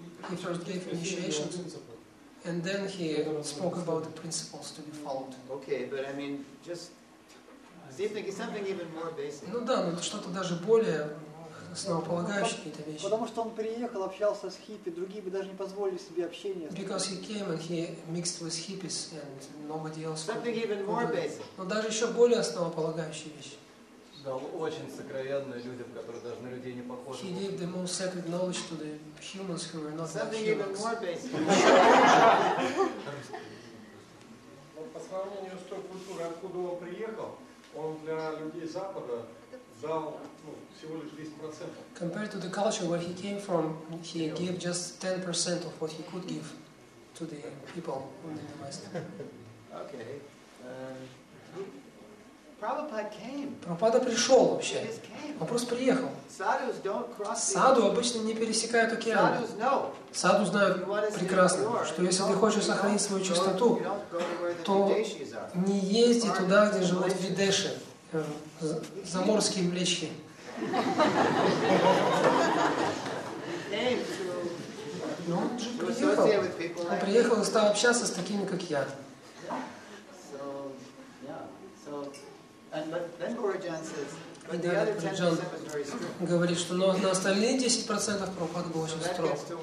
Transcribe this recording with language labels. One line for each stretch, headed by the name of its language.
English: He first gave initiation, and then he spoke about the principles to be followed. Okay, but I mean, something even more basic.
Russian: Ну да, но это что-то даже более основополагающие какие-то вещи. Потому что он приехал, общался с хиппи, другие бы даже не позволили себе общение.
English: Because he came and he mixed with hippies and nobody else. Something even more basic.
Russian: Но даже еще более основополагающие вещи. Дал очень сокровенные людям, которые даже на людей не похожи.
English: He gave the most sacred knowledge to the humans who were not humans. Something even more basic.
Russian: По сравнению с той культурой, откуда он приехал, он приехал он для людей Запада дал, ну, всего лишь 10%.
English: Compared to the culture where he came from, he gave just 10% of what he could give to the people in the West. Okay. Prabhupada came.
Russian: Прабхупада пришел вообще. Он просто приехал. Саду обычно не пересекают океан. Саду знают прекрасно, что если ты хочешь сохранить свою чистоту, то не езди туда, где живут видеши, заморские млечки. Но он же приехал. Он приехал и стал общаться с такими, как я.
English: And then Gaurajan says, but the other 10% was very strict.
Russian: Говорит, что но на остальные 10% Прабхупада был очень строг.